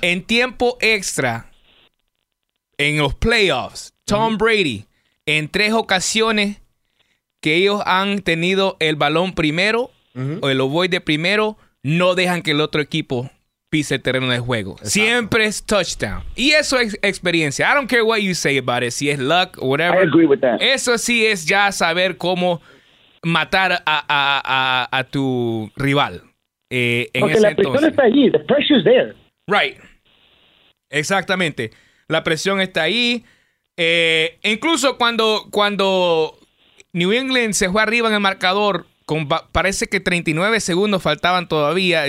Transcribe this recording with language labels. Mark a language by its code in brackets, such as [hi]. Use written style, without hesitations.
[es] En tiempo extra, en los playoffs, Tom Brady, en tres ocasiones que ellos han tenido el balón primero, o el ovoide primero, no dejan que el otro equipo pise el terreno de juego. Exacto. Siempre es touchdown. Y eso es experiencia. [en] I don't care what you say about it, [es] si es [en] luck or whatever. I agree with that. [es] Eso sí es ya saber cómo matar a tu rival. En porque ese la presión entonces está ahí. [en] The pressure is there. Right. [es] Exactamente. La presión está ahí. Incluso cuando New England se fue arriba en el marcador, parece que 39 segundos faltaban todavía.